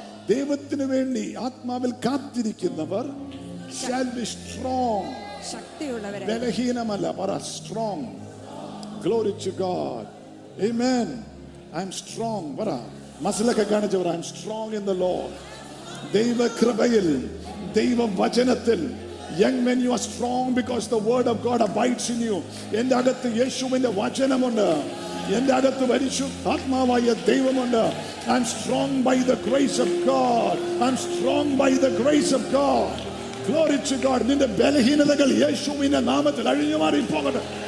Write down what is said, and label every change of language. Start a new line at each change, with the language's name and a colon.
Malayalam: ദൈവത്തിന് വേണ്ടി ആത്മാവിൽ കാത്തിരിക്കുന്നവർ
English: shall be strong.
Malayalam: ബലഹീനമല്ല, പറ
English: strong. Glory to God. Amen. I'm strong.
Malayalam: പറ മസിലൊക്കെ കാണിച്ചവർ,
English: I'm strong in the Lord.
Malayalam: ദൈവ കൃപയിൽ, ദൈവ വചനത്തിൽ.
English: Young men, you are strong because the word of God abides in you.
Malayalam: എന്റെ അകത്ത് യേശുവിന്റെ വചനമുണ്ട്. എന്റെ അകത്ത് പരിശുദ്ധാത്മാവായ ദൈവമുണ്ട്.
English: I'm strong by the grace of God. I'm strong by the grace of God. Glory to God.
Malayalam: നിന്റെ ബലഹീനതകൾ യേശുവിന്റെ നാമത്തിൽ അഴിഞ്ഞു മാറി പോകട്ടെ.